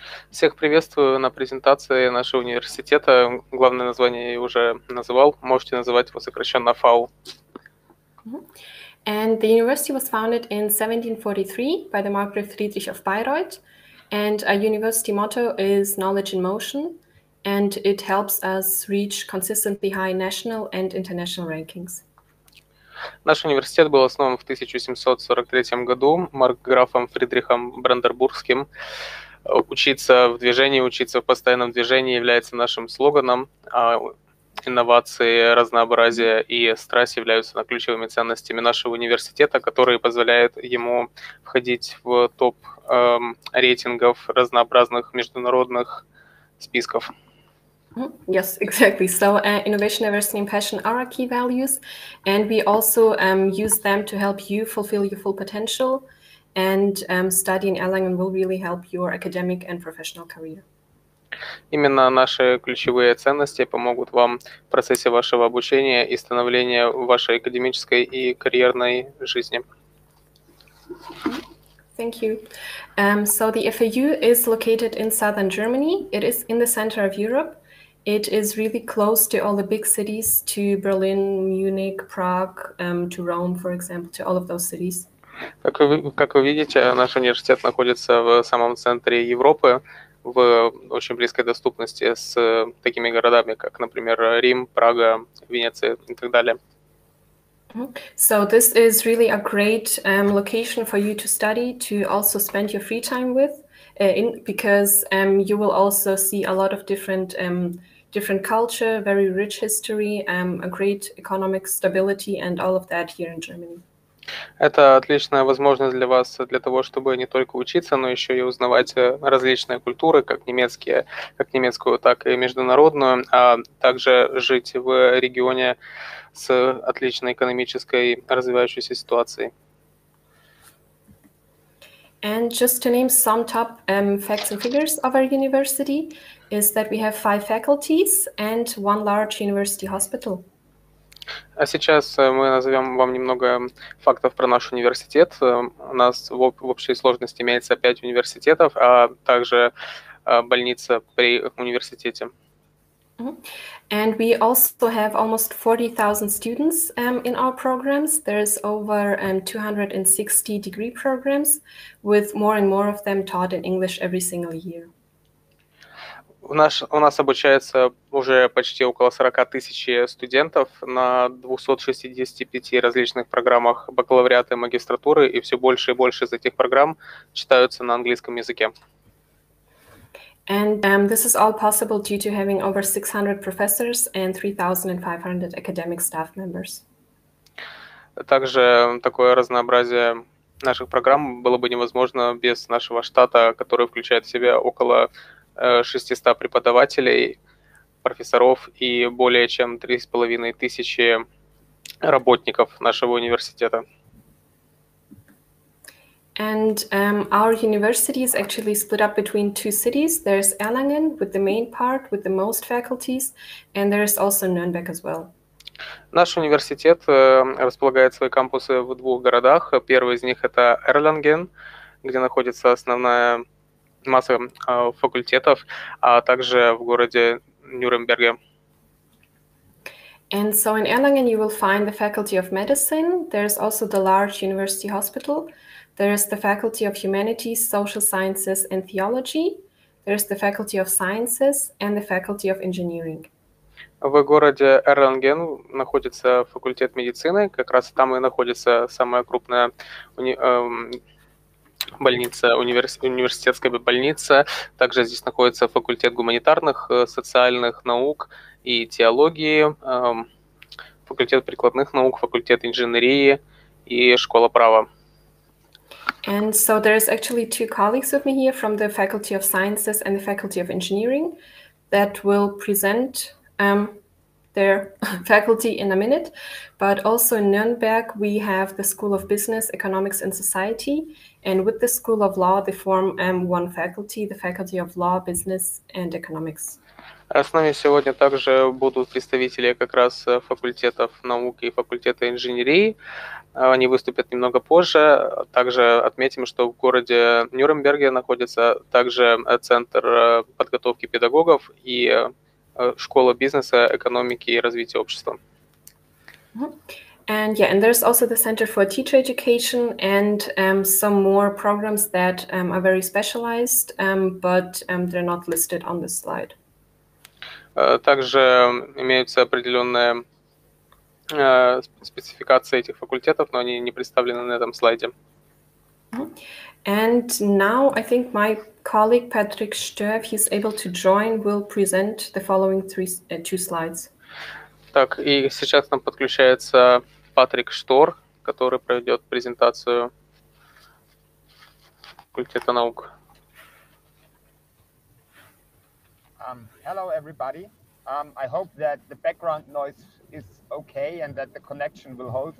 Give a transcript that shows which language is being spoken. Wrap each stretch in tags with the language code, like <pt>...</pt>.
<ru>Всех приветствую на презентации нашего университета. Главное название я уже называл. Можете называть его сокращенно ФАУ.</ru> <en>And the university was founded in 1743 by the Margrave Friedrich of Bayreuth. And our university motto is knowledge in motion. And it helps us reach consistently high national and international rankings.</en> <ru>Наш университет был основан в 1743 году маркграфом Фридрихом Бранденбургским. Учиться в движении, учиться в постоянном движении является нашим слоганом. А инновации, разнообразие и страсть являются ключевыми ценностями нашего университета, которые позволяют ему входить в топ рейтингов разнообразных международных списков.</ru> <en>Yes, exactly. So innovation, diversity, and passion are our key values, and we also use them to help you fulfill your full potential. And studying Erlangen will really help your academic and professional career.</en> <ru>Именно наши ключевые ценности помогут вам в процессе вашего обучения и становления вашей академической и карьерной жизни.</ru> <en>Thank you. So the FAU is located in southern Germany. It is in the center of Europe. It is really close to all the big cities, to Berlin, Munich, Prague, to Rome, for example, to all of those cities.</en> <ru>Как вы видите, наш университет находится в самом центре Европы, в очень близкой доступности с такими городами, как, например, Рим, Прага, Венеция и так далее.</ru> <en>So this is really a great location for you to study, to also spend your free time with, because you will also see a lot of different culture, very rich history, a great economic stability and all of that here in Germany.</en> <ru>Это отличная возможность для вас, для того, чтобы не только учиться, но еще и узнавать различные культуры, как немецкую, так и международную, а также жить в регионе с отличной экономической развивающейся ситуацией.</ru> <en>And just to name some top facts and figures of our university is that we have 5 faculties and 1 large university hospital.</en> <ru>А сейчас мы назовем вам немного фактов про наш университет. У нас в общей сложности имеется 5 университетов, а также больница при университете.</ru> <en>And we also have almost 40,000 students in our programs. There's over 260 degree programs, with more and more of them taught in English every single year.</en> <ru>У нас обучается уже почти около 40 тысяч студентов на 265 различных программах бакалавриата и магистратуры, и все больше и больше из этих программ читаются на английском языке.</ru> <en>And this is all possible due to having over 600 professors and 3,500 academic staff members.</en> <ru>Также такое разнообразие наших программ было бы невозможно без нашего штата, который включает в себя около 600 преподавателей, профессоров и более чем 3500 работников нашего университета.</ru> <en>And our university is actually split up between 2 cities. There's Erlangen with the main part, with the most faculties, and there's also Nürnberg as well.</en> <ru>Наш университет располагает свои кампусы в 2 городах. Первый из них — это Erlangen, где находится основная масса факультетов, а также в городе Нюрнберге.</ru> <en>And so in Erlangen you will find the Faculty of Medicine. There's also the large university hospital. There is the Faculty of Humanities, Social Sciences and Theology. There's the Faculty of Sciences and the Faculty of Engineering.</en> <ru>В городе Эрланген находится факультет медицины, как раз там и находится самая крупная больница, университетская больница. Также здесь находится факультет гуманитарных, социальных наук и теологии, факультет прикладных наук, факультет инженерии и школа права.</ru> <en>And so there's actually two colleagues with me here from the Faculty of Sciences and the Faculty of Engineering that will present their faculty in a minute. But also in Nürnberg, we have the School of Business, Economics and Society. And with the School of Law, they form one faculty, the Faculty of Law, Business and Economics.</en> <ru>С нами сегодня также будут представители как раз факультетов науки и факультета инженерии. Они выступят немного позже. Также отметим, что в городе Нюрнберге находится также центр подготовки педагогов и школа бизнеса, экономики и развития общества.</ru> <en>And yeah, and there's also the Center for Teacher Education and some more programs that are very specialized, but they're not listed on this slide.</en> <ru>Также имеются определенные спецификации этих факультетов, но они не представлены на этом слайде.</ru> <en>And now I think my colleague Patrick Stör, if he's able to join, will present the following two slides.</en> <ru>Так, и сейчас нам подключается Патрик Штор, который проведет презентацию факультета наук.</ru> <en>Hello, everybody. I hope that the background noise is okay and that the connection will hold.</en>